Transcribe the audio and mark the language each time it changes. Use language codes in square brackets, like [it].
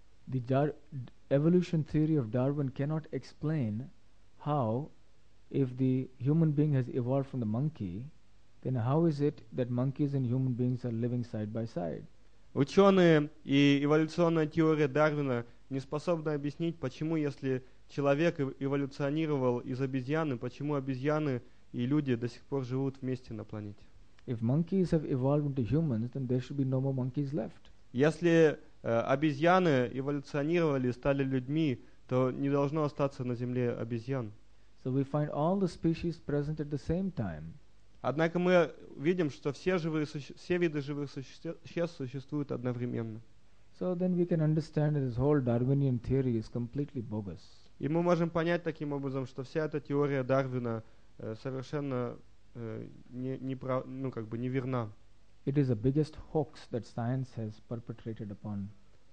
[en] The evolution theory of Darwin cannot explain how, if the human being has evolved from the monkey, then how is it that monkeys and human beings are living side by side? [ru] Ученые и эволюционная теория Дарвина не способны объяснить, почему, если человек эволюционировал из обезьяны, почему обезьяны и люди до сих пор живут вместе на планете. [en] If monkeys have evolved into humans, then there should be no more monkeys left. [ru] Если обезьяны эволюционировали и стали людьми, то не должно остаться на Земле обезьян. [en] So we find all the species present at the same time. [ru] Однако мы видим, что все виды живых существ существуют одновременно. [en] So then we can understand that this whole Darwinian theory is completely bogus. [ru] И мы можем понять таким образом, что вся эта теория Дарвина совершенно неверна. [en] It is the biggest hoax that science has perpetrated upon society.